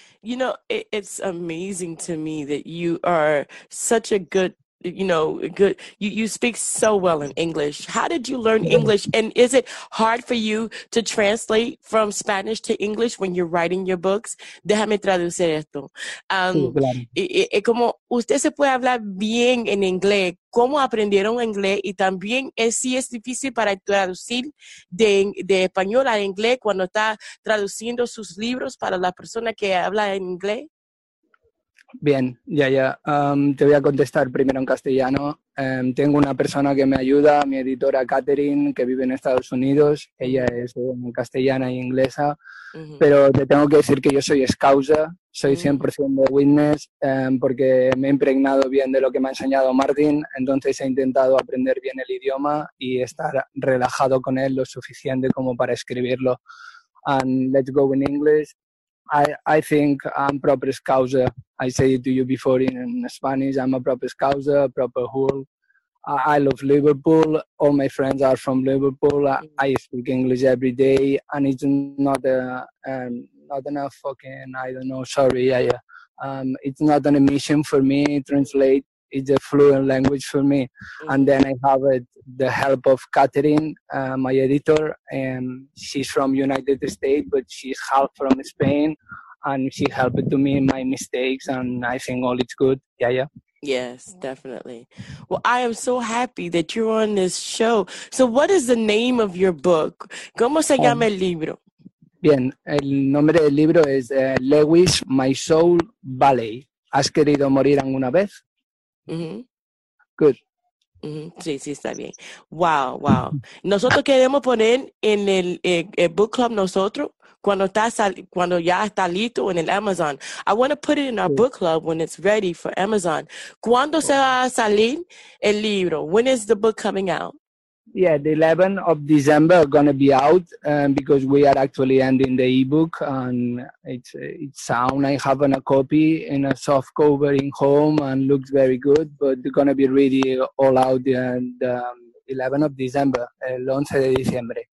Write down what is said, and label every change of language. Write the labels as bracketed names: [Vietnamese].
[English] You know, it's amazing to me that you are such a good, you know, good. You speak so well in English. How did you learn English? And is it hard for you to translate from Spanish to English when you're writing your books? [Spanish] Déjame traducir esto. Como usted se puede hablar bien en inglés, ¿cómo aprendieron inglés? Y también es difícil para traducir de español a inglés cuando está traduciendo sus libros para la persona que habla en inglés. Bien, te voy a contestar primero en castellano. Tengo una persona que me ayuda, mi editora Catherine, que vive en Estados Unidos. Ella es castellana e inglesa. Uh-huh. Pero te tengo que decir que yo soy scouser, soy 100% de witness, porque me he impregnado bien de lo que me ha enseñado Martin. Entonces he intentado aprender bien el idioma y estar relajado con él lo suficiente como para escribirlo. [English] And let's go in English. I think I'm proper scouser. I said it to you before in Spanish. I'm a proper scouser, a proper hool. I love Liverpool. All my friends are from Liverpool. I speak English every day, and it's it's not an emission for me. Translate. It's a fluent language for me. And then I have the help of Catherine, my editor. And she's from United States, but she's half from Spain. And she helped to me in my mistakes. And I think all it's good. Yeah. Yes, definitely. Well, I am so happy that you're on this show. So what is the name of your book? [Spanish] ¿Cómo se llama el libro? Bien, el nombre del libro es Lewis, My Soul Valley. ¿Has querido morir alguna vez? Mm-hmm. [English] Good. [Spanish] Mm-hmm. Sí, está bien. Wow. Nosotros queremos poner en el book club nosotros cuando ya está listo en el Amazon. [English] I want to put it in our book club when it's ready for Amazon. [Spanish] ¿Cuándo se va a salir el libro? [English] When is the book coming out? Yeah, the 11th of December going to be out because we are actually ending the ebook and it's sound. I have a copy in a soft cover in home and looks very good, but it's going to be ready all out the 11th of December, [Spanish] el 11 de diciembre.